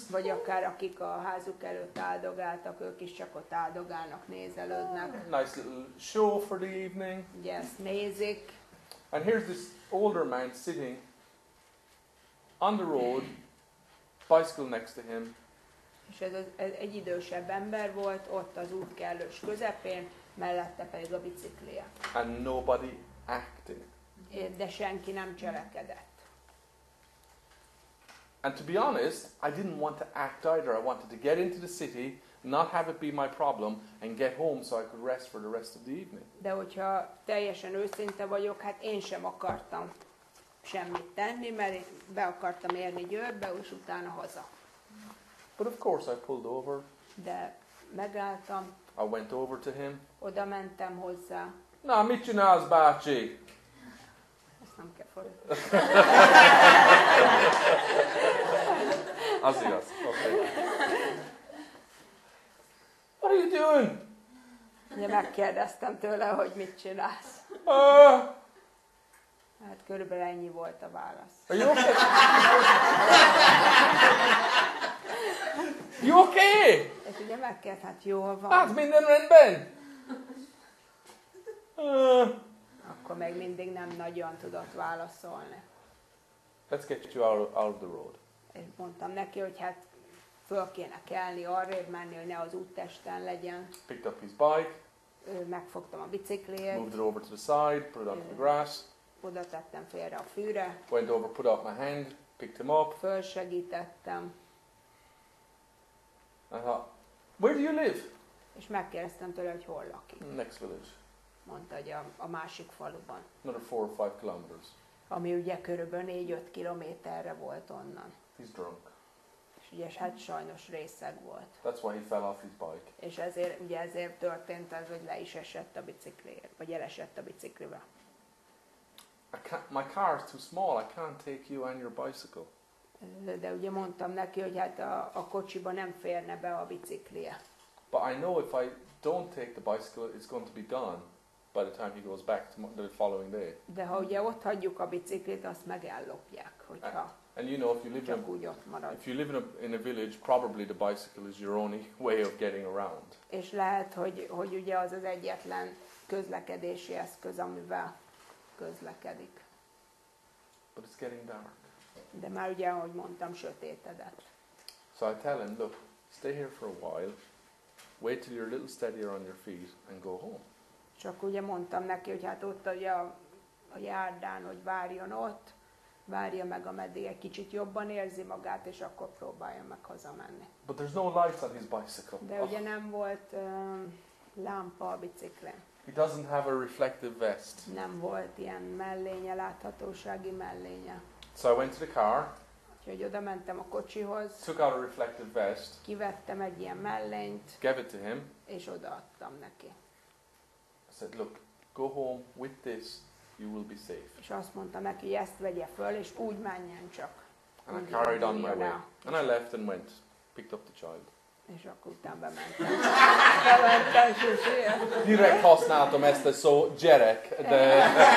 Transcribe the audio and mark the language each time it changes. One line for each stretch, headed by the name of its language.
Hungarian: Vagy akár akik a házuk előtt áldogáltak, ők is csak ott áldogálnak, nézelődnek.
English: Nice little show for the evening.
Hungarian: Yes, nézik.
English: And here's this older man sitting on the road, bicycle next to him.
Hungarian: És ez egy idősebb ember volt ott az út kellős közepén. Mellette pedig a biciklia.
English: And nobody acting.
Hungarian: De senki nem cselekedett.
English: And to be honest, I didn't want to act either. I wanted to get into the city, not have it be my problem, and get home so I could rest for the rest of the evening.
Hungarian: De hogyha teljesen őszinte vagyok, hát én sem akartam semmit tenni, mert én be akartam érni Győrbe, és utána haza.
English: But of course I pulled over.
Hungarian: De megálltam.
English: I went over to him.
Hungarian: Oda mentem hozzá. Na, mit csinálsz, bácsi? Ezt nem kell fordítani. Az igaz. Okay.
English: What are you doing?
Hungarian: Ugye megkérdeztem tőle, hogy mit csinálsz. Hát körülbelül ennyi volt a válasz.
English: Are you okay? You okay?
Hungarian: És ugye megkért, hát jól van. Hát minden rendben. Akkor még mindig nem nagyon tudott válaszolni.
English: Let's get you out of the road.
Hungarian: És mondtam neki, hogy hát föl kéne kelni, arrébb menni, hogy ne az úttesten legyen.
English: Picked up his bike.
Hungarian: Megfogtam a bicikliét.
English: Moved it over to the side, put it on the grass.
Hungarian: Oda tettem félre a fűre.
English: Went over, put out my hand, picked him up.
Hungarian: Fölsegítettem.
English: I thought, where do you live?
Hungarian: És megkérdeztem tőle, hogy hol lakik.
English: Next village.
Hungarian: Mondta, hogy a másik faluban.
English: Another 4 or 5 kilometers.
Hungarian: Ami ugye körülbelül 4-5 kilométerre volt onnan.
English: He's drunk.
Hungarian: És ugye hát sajnos részeg volt.
English: That's why he fell off his bike.
Hungarian: És ezért, ugye ezért történt az, hogy le is esett a biciklire, vagy elesett a biciklire.
English: My car is too small, I can't take you and your bicycle.
Hungarian: De ugye mondtam neki, hogy hát a kocsiba nem férne be a biciklia.
English: But I know if I don't take the bicycle, it's going to be gone by the time he goes back the following day.
Hungarian: De ha ugye ott hagyjuk a biciklit, azt meg ellopják, hogyha.
English: And you know, if you live in a village, probably the bicycle is your only way of getting around.
Hungarian: És lehet, hogy ugye az az egyetlen közlekedési eszköz, amivel közlekedik.
English: But it's getting dark.
Hungarian: De már ugye, ahogy mondtam, sötétedett.
English: So I tell him, look, stay here for a while, wait till you're a little steadier on your feet, and go home.
Hungarian: Csak ugye mondtam neki, hogy hát ott ugye a járdán, hogy várjon ott, várja meg, ameddig egy kicsit jobban érzi magát, és akkor próbáljon meg hazamenni.
English: But there's no light on his bicycle.
Hungarian: De ugye nem volt lámpa a biciklén.
English: He doesn't have a reflective vest.
Hungarian: Nem volt ilyen mellénye, láthatósági mellénye.
English: So I went to the car.
Hungarian: Úgyhogy oda mentem a kocsihoz.
English: Took out a reflective vest.
Hungarian: Kivettem egy ilyen mellényt.
English: Gave it to him.
Hungarian: És odaadtam neki.
English: I said, look, go home with this will be safe.
Hungarian: És azt mondta neki, ezt vegye föl, és úgy menjen csak.
English: And I carried on my way. And I left and went, picked up the child.
Hungarian: És akkor utána bementem. Direkt használtam ezt a szó, gyerek, de...